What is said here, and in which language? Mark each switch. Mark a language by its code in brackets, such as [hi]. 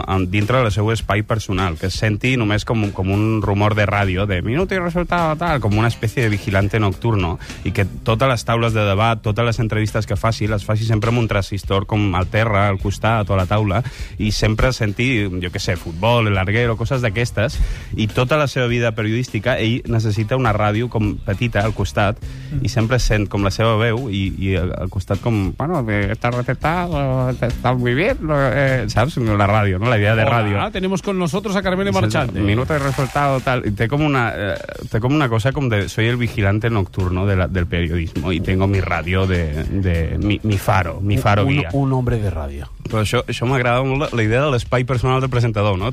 [ca] dintre del seu espai personal, que es senti només com un rumor de ràdio, de minut i resultado, tal, com una espècie de vigilante nocturno, i que totes les taules de debat, totes les entrevistes que faci, les faci sempre amb un transistor com al terra, al costat o a la taula, i sempre senti, jo què sé, futbol, el Larguero, coses d'aquestes, i tota la seva vida periodística, ell necessita una ràdio com petita al costat, i sempre sent com la seva veu, i al costat com, bueno, [es] esta receta está muy bien, [ca] saps? La ràdio, no? La idea de ràdio. [es] Ah, tenemos con nosotros a Carmen Marchante. Minuto de resultado, tal. [ca] Y té com una cosa com de... [es] Soy el vigilante nocturno del periodismo y tengo mi ràdio de mi faro guía. Un hombre de ràdio. [ca] Però això m'agrada molt, la idea de l'espai personal del presentador, no?